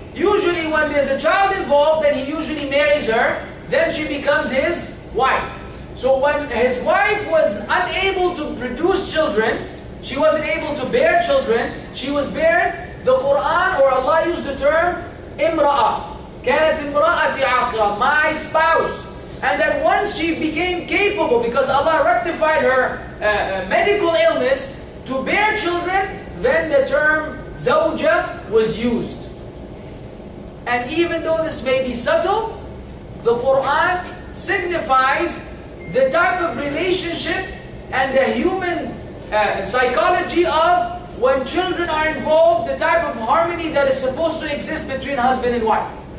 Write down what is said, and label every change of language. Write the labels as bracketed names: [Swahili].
[English] Usually when there's a child involved, then he usually marries her, then she becomes his wife. So when his wife was unable to produce children, she wasn't able to bear children, she was barren, the Quran or Allah used the term Imra'a. [Arabic] كانت إمرأتي عاقرة, [English] my spouse. And then once she became capable, because Allah rectified her medical illness, to bear children, then the term zawja was used. And even though this may be subtle, the Quran signifies the type of relationship and the human psychology of when children are involved, the type of harmony that is supposed to exist between husband and wife.